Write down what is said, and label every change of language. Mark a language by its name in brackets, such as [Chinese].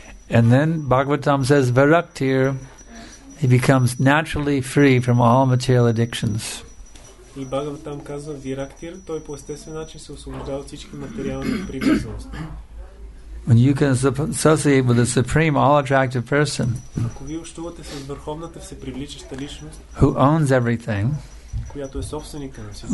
[English] And then Bhagavatam says, Viraktir. He becomes naturally free from all material addictions. [Bulgarian] И Бхагаватам казва Вирактир, той по естествен начин се освобождава от всички материални привързаности. [English] When you can associate with the supreme all-attractive person, [Bulgarian] ако ви общувате с върховната всепривличаща личност, [English] who owns everything, [Bulgarian] която е собственика на всичко,